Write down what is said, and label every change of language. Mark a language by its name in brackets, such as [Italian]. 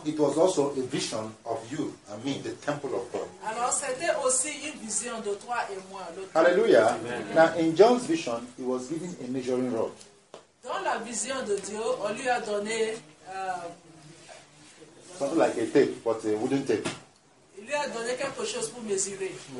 [English] It was also a vision of you and me, the temple of God. [French] Alors, c'était aussi une vision de toi et moi. [English] Hallelujah. Amen. Now, in John's vision, he was given a measuring rod. [French] Dans la vision de Dieu, on lui a donné... [English] Something like a tape, but a wooden tape. [French] Il lui a donné quelque chose pour mesurer.